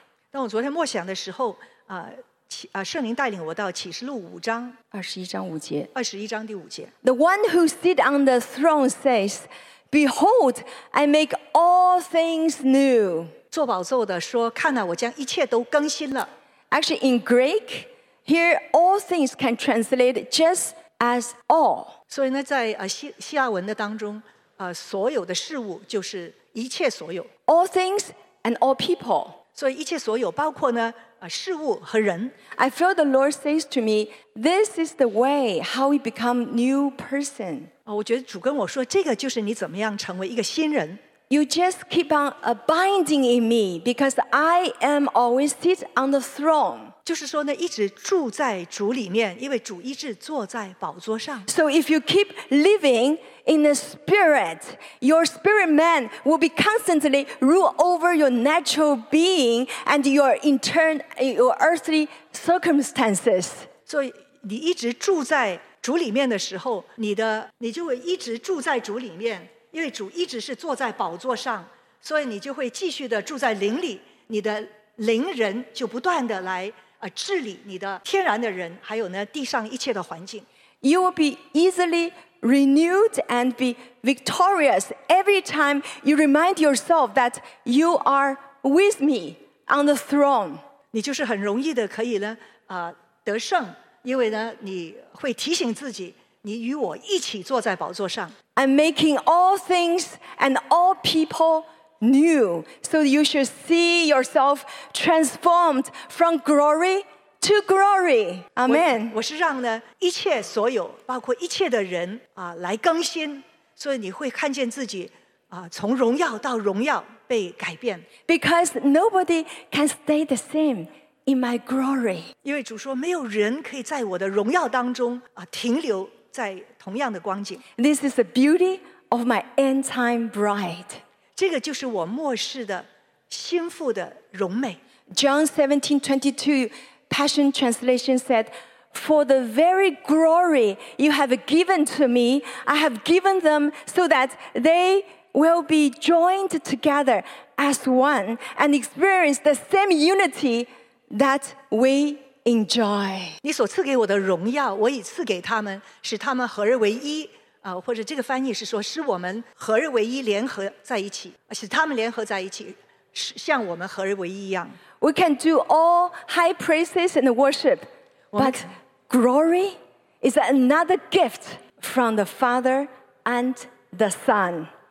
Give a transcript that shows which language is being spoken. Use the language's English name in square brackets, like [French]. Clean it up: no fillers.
[Chinese] 当我昨天默想的时候，圣灵带领我到启示录五章二十一章五节，二十一章第五节。 [English] The one who sits on the throne says, "Behold, I make all things new." [Chinese] 坐宝座的说，看哪，我将一切都更新了。 [English] Actually, in Greek, here all things can translate just as all. [Chinese] 所以呢，在希腊文的当中，所有的事物就是一切所有。 [English] All things and all people. [Chinese] 所以一切所有包括呢。事物和人。 [English] I feel the Lord says to me, "This is the way how we become new person." [Chinese] 我觉得主跟我说，这个就是你怎么样成为一个新人。 [English] You just keep on abiding in me because I am always sit on the throne. [Chinese] 就是说呢，一直住在主里面，因为主一直坐在宝座上。 [English] So if you keep living in the spirit, your spirit man will be constantly rule over your natural being and your earthly circumstances. [Chinese] 所以你一直住在主里面的时候，你就会一直住在主里面。因为主一直是坐在宝座上，所以你就会继续的住在灵里，你的灵人就不断的来治理你的天然的人，还有呢地上一切的环境。 [English] You will be easily renewed and be victorious every time you remind yourself that you are with me on the throne. [Chinese] 你就是很容易的可以呢得胜，因为呢你会提醒自己。你与我一起坐在宝座上。 [English] I'm making all things and all people new, so you should see yourself transformed from glory to glory. Amen. [Chinese] 我是让呢一切所有，包括一切的人来更新，所以你会看见自己从荣耀到荣耀被改变。 [English] Because nobody can stay the same. In my glory. [Chinese] 因为主说没有人可以在我的荣耀当中停留在同样的光景。 [English] This is the beauty of my end time bride. [Chinese] 这个就是我末世的心腹的荣美。 [English] John 17:22 Passion Translation said, "For the very glory you have given to me, I have given them so that they will be joined together as one and experience the same unity that we enjoy." [Chinese] 你所赐给我的荣耀，我已赐给他们，使他们合而为一。或者这个翻译是说，使我们合而为一，联合在一起，使他们联合在一起，像我们合而为一一样。 [English] We can do all high praises and worship, but glory is another gift from the Father and the Son.